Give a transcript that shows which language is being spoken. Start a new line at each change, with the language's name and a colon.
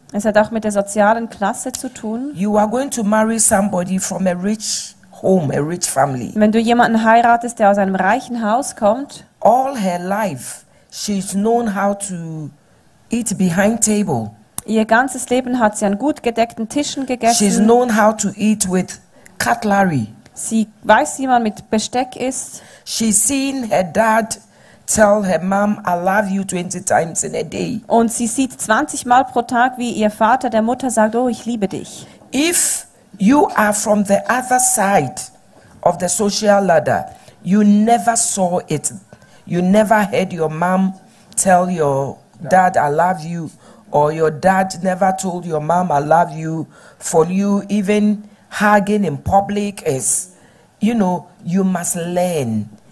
German: Es hat auch mit der sozialen Klasse zu tun.
English: You are going to marry somebody from a rich home, a rich family.
German: Wenn du jemanden heiratest, der aus einem reichen Haus kommt,
English: all her life she's known how to eat behind table.
German: Ihr ganzes Leben hat sie an gut gedeckten Tischen gegessen.
English: She's known how to eat with cutlery.
German: Sie weiß, wie man mit Besteck isst.
English: She's seen her dad tell her mom, I love you 20 times in a day.
German: Und sie sieht 20 Mal pro Tag, wie ihr Vater der Mutter sagt, oh, ich liebe dich.
English: If you are from the other side of the social ladder, you never saw it. You never heard your mom tell your dad, I love you. Or your dad never told your mom, I love you. For you, even hugging in public is, you know, you must learn.